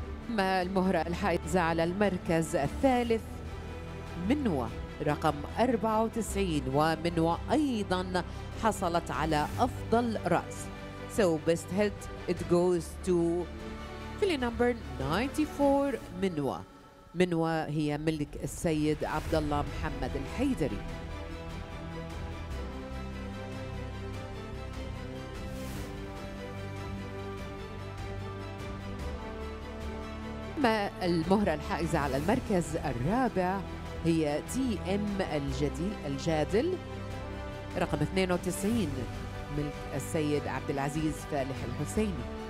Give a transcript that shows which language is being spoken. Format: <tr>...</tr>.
<ar>أما المهرة الحائزة على المركز الثالث منوة رقم 94 ومنوة أيضا حصلت على أفضل رأس.</ar> <en>So best hit, it goes to filly number 94, منوى.</en> <ar>منوى هي ملك السيد عبد الله محمد الحيدري. أما المهرة الحائزة على المركز الرابع هي تي ام الجادل رقم 92 ملك السيد عبد العزيز فالح الحسيني.</ar>